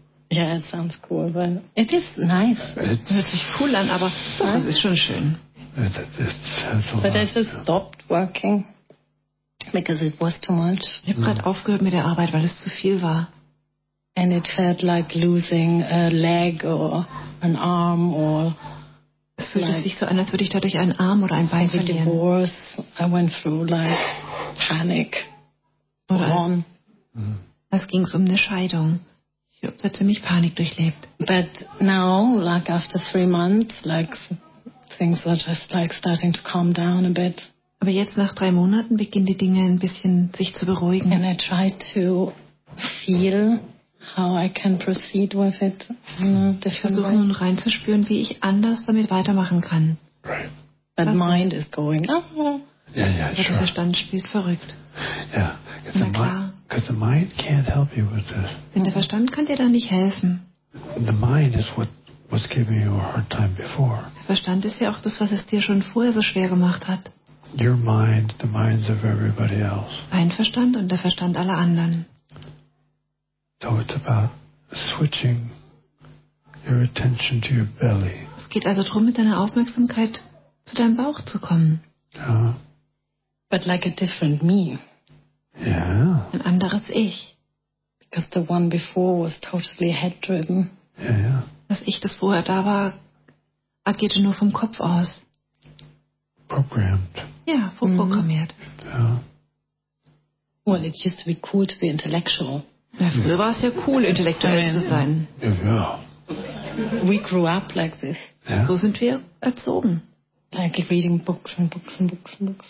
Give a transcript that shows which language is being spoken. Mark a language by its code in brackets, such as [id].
[en] Yeah, it sounds cool, but it is nice. [de] It hört sich cool an, aber es ist schon schön. [en] But I just stopped working. Because it was too much. [de] Ich habe gerade aufgehört mit der Arbeit, weil es zu viel war. [en] And it felt like losing a leg or an arm or. [de] Es fühlte like sich so an, als würde ich dadurch einen Arm oder ein Bein verlieren. [en] With divorce, I went through like panic. [de] Oder es ging um eine Scheidung. Ich habe ziemlich Panik durchlebt. [en] But now, like after 3 months, like things are just like starting to calm down a bit. [de] Aber jetzt nach 3 Monaten beginnen die Dinge ein bisschen sich zu beruhigen. [en] And I try to feel how I can proceed with it. [de] Ich versuche nun reinzuspüren, wie ich anders damit weitermachen kann. [en] Right. But mind is going. Yeah, [de] sure. Der Verstand spielt verrückt. [en] Yeah, because the mind can't help you with this. [de] Denn der Verstand kann dir da nicht helfen. [en] The mind is what was giving you a hard time before. [de] Der Verstand ist ja auch das, was es dir schon vorher so schwer gemacht hat. [en] Your mind, the minds of everybody else. [de] Dein Verstand und der Verstand aller anderen. [en] So it's about switching your attention to your belly. [de] Es geht also darum, mit deiner Aufmerksamkeit zu deinem Bauch zu kommen. Ja. [en] But like a different me. Yeah. [de] Ein anderes Ich. [en] Because the one before was totally head-driven. Yeah. [de] Das Ich, das vorher da war, agierte nur vom Kopf aus. [en] Programmed. [de] Ja, vorprogrammiert. Mm-hmm. Ja. [en] Well, it used to be cool to be intellectual. [de] Ja, früher war es ja cool, intellektuell zu sein. Ja. [en] We grew up like this. [de] Ja. So sind wir erzogen. [en] Like reading books and books and books and books.